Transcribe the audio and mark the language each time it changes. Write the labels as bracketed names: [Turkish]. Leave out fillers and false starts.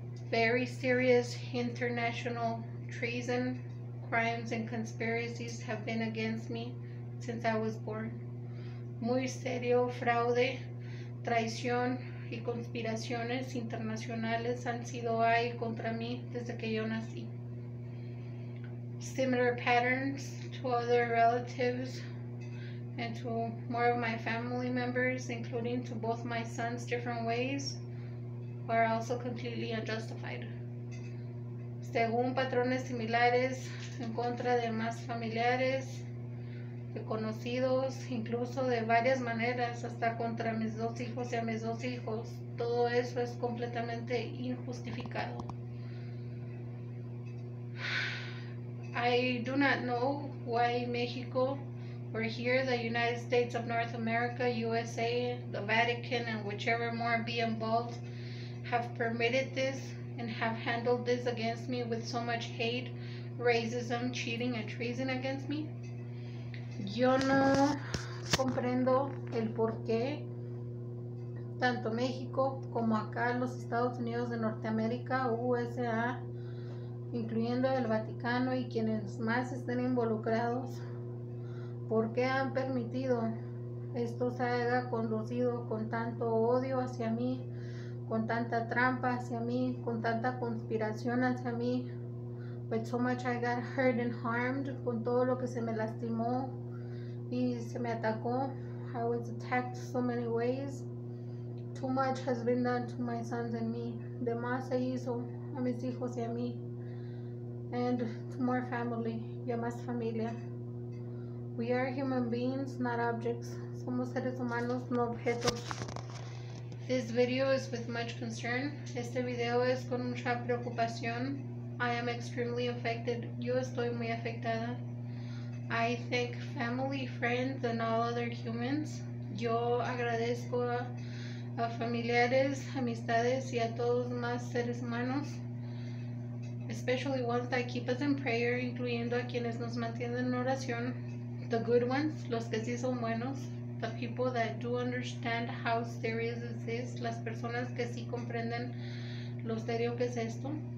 [English] Very serious international treason, crimes and conspiracies have been against me since I was born. [Spanish] Muy serio fraude, traición y conspiraciones internacionales han sido ahí contra mí desde que yo nací. [English] Similar patterns to other relatives and to more of my family members, including to both my sons' different ways, are also completely unjustified. [Spanish] Según patrones similares en contra de más familiares, de conocidos, incluso de varias maneras, hasta contra mis dos hijos y a mis dos hijos, todo eso es completamente injustificado. [English] I do not know why Mexico, or here the United States of North America, USA, the Vatican, and whichever more be involved, have permitted this and have handled this against me with so much hate, racism, cheating, and treason against me. [Spanish] Yo no comprendo el por qué tanto México como acá los Estados Unidos de Norteamérica, USA, incluyendo el Vaticano y quienes más estén involucrados, ¿por qué han permitido esto se haya conducido con tanto odio hacia mí, con tanta trampa hacia mí, con tanta conspiración hacia mí? [English] With so much I got hurt and harmed, [Spanish] con todo lo que se me lastimó y se me atacó. [English] I was attacked so many ways. Too much has been done to my sons and me. [Spanish] De más se hizo a mis hijos y a mí. [English] And to more family, [Spanish] y a más familia. [English] We are human beings, not objects. [Spanish] Somos seres humanos, no objetos. [English] This video is with much concern. [Spanish] Este video es con mucha preocupación. [English] I am extremely affected. [Spanish] Yo estoy muy afectada. [English] I thank family, friends, and all other humans. [Spanish] Yo agradezco a familiares, amistades, y a todos más seres humanos. [English] especially ones that keep us in prayer, [Spanish] incluyendo a quienes nos mantienen en oración, [English] the good ones, [Spanish] los que sí son buenos, [English] the people that do understand how serious this is, [Spanish] las personas que sí comprenden lo serio que es esto,